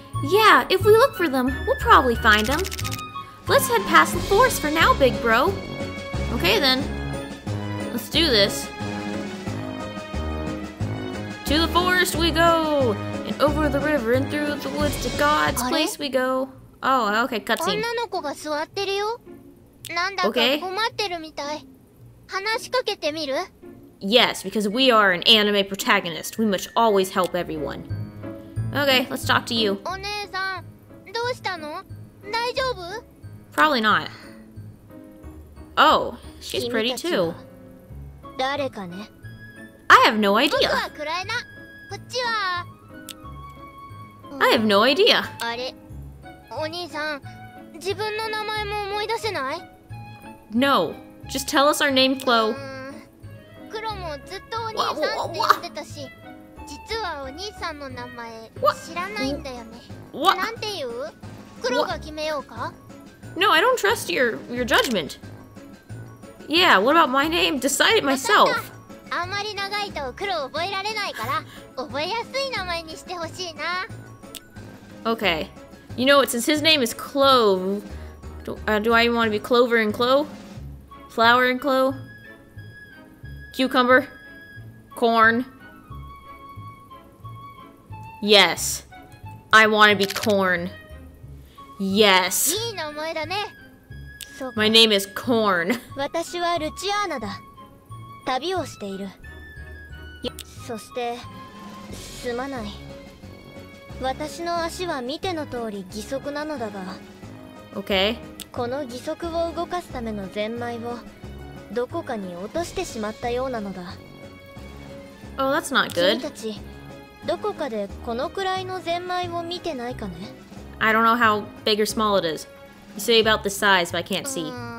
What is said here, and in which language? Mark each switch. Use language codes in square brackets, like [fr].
[en] Yeah, if we look for them, we'll probably find them. Let's head past the forest for now, big bro. Okay then. Let's do this. To the forest we go, and over the river and through the woods to God's place we go. Oh, okay, cutscene. [ja] 女の子が座ってるよ。なんだか困ってるみたい。話しかけてみる？ [en] Yes, because we are an anime protagonist. We must always help everyone. Okay, let's talk to you. [ja] お姉さん、どうしたの？大丈夫？ [en] Probably not. Oh, she's pretty too. [ja] 誰かね。 [en] I have no idea. [ja] 僕はクライナ。こっちは。 [en] I have no idea. [ja] あれ、お兄さん、自分の名前も思い出せない？ [en] No, just tell us our name, Chloe. [ja] クロもずっとお兄さんって言ってたし、実はお兄さんの名前知らないんだよね。なんて言う？クロが決めようか？ [en] No, I don't trust your judgment. Yeah, what about my name? Decide it myself. [ja] あまり長いとクロ覚えられないから、覚えやすい名前にしてほしいな。 [en] Okay. You know what, since his name is Clove, do I even want to be Clover and Chloe? Flower and Chloe? Cucumber? Corn? Yes. I want to be Corn. Yes. [ja] いい名前だね。そうか。 [en] My name is Corn. [ja] 私はルチアーナだ。旅をしている。そして、すまない。私の足は見ての通り義足なのだが、 [en] Okay. [ja] この義足を動かすためのゼンマイをどこかに落としてしまったようなのだ。 [en] Oh, that's not good. [ja] 君たち、どこかでこのくらいのゼンマイを見てないかね。 [en] I don't know how big or small it is. You say about this size, but I can't see.